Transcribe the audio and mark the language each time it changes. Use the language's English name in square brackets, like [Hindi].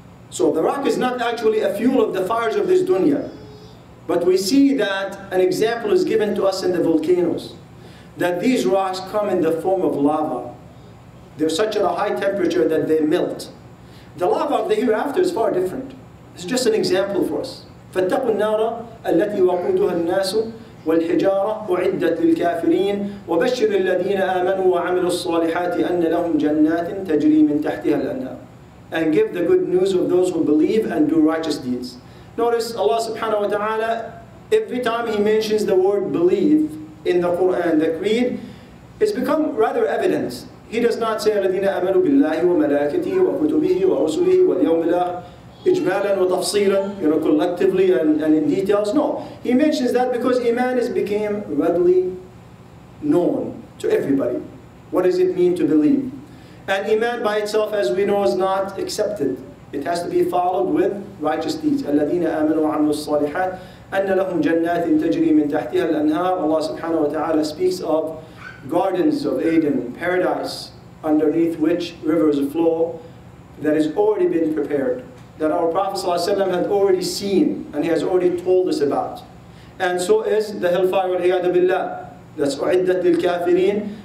[English] So the rock is not actually a fuel of the fires of this dunya. But we see that an example is given to us in the volcanoes, that these rocks come in the form of lava. They're such at a high temperature that they melt. The lava of the hereafter is far different. It's just an example for us. [Arabic] فَاتَّقُوا النَّارَ الَّتِي وَقُودُهَا النَّاسُ والحجارة أعدت للكافرين وبشر الذين آمنوا وعملوا الصالحات أن لهم جنات تجري من تحتها الأنهار. [English] And give the good news of those who believe and do righteous deeds. Notice Allah subhanahu wa ta'ala, every time he mentions the word believe in the Quran, the creed, it's become rather evident. He does not say [Arabic] الذين آمنوا بالله وملائكته وكتبه ورسله واليوم الآخر إجمالا وتفصيلا, [English] you know, collectively and in details. No, he mentions that because iman has become readily known to everybody. What does it mean to believe? And iman by itself, as we know, is not accepted. It has to be followed with righteous deeds. [Arabic] الذين آمنوا وعملوا الصالحات أن لهم جنات تجري من تحتها الأنهار. [English] Allah subhanahu wa ta'ala speaks of gardens of Eden, paradise, underneath which rivers flow, that has already been prepared, that our Prophet ﷺ had already seen and he has already told us about. And so is the hellfire [Arabic] wal-iyadu billah, [English] that's [Arabic] u'iddat lil-kafirin.